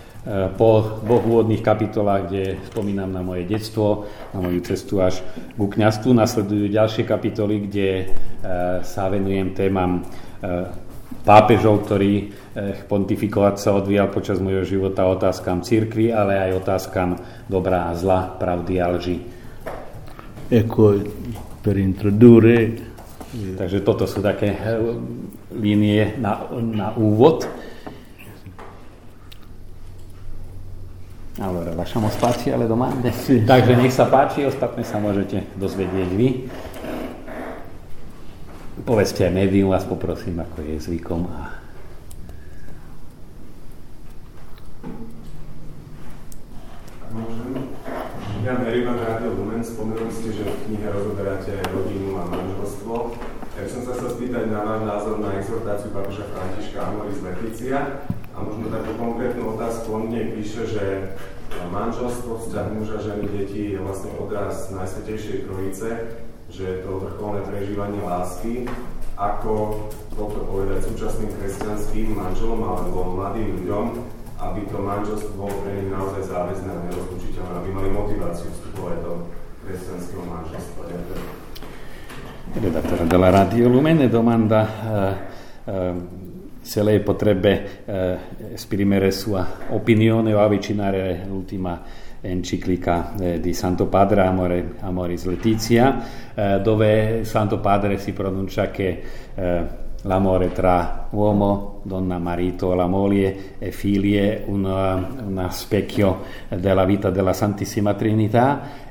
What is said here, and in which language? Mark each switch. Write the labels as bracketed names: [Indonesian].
[Slovak] Po dvoch úvodných kapitolách, kde spomínam na moje detstvo, na moju cestu až ku kňazstvu, nasledujú ďalšie kapitoly, kde sa venujem témam pápežov, ktorý pontifikovať sa odvíjal počas môjho života, otázkam cirkvi, ale aj otázkam dobrá a zla, pravdy a lži. [Italian] Ecco, per introdurre. [Slovak] Takže toto sú také línie na úvod. [Italian] Allora, lasciamo spazio alle domande. Sì. [Slovak] Takže nech sa páči, ostatné sa môžete dozvedieť vy. Povedzte aj médium, vás poprosím, ako je zvykom. Môžem? Ja verím na Rádio Lumen. Spomenuli ste, že v knihe rozoberáte rodinu a manželstvo. Ja som sa spýtať na váš názor na exhortáciu papeža Františka Amoris Laetitia. A možno takú konkrétnu otázku, on mne píše, že manželstvo, vzťah muža, ženy, deti je vlastne odraz Najsvätejšej Trojice, že je to vrcholné prežívanie lásky. Ako toto povedať súčasným kresťanským manželom alebo mladým ľuďom, aby to manželstvo bolo pre nich naozaj záväzné a nerozlučiteľné, aby mali motiváciu vstupovať do kresťanského manželstva. [Italian] Redaktor de la Radio Lumen domanda se le potrebbe esprimere sua opinione o avvicinare l'ultima enciclica di Santo Padre Amoris Laetitia, dove Santo Padre si pronuncia che l'amore tra uomo, donna, marito, la moglie e figlie un specchio della vita della Santissima Trinità.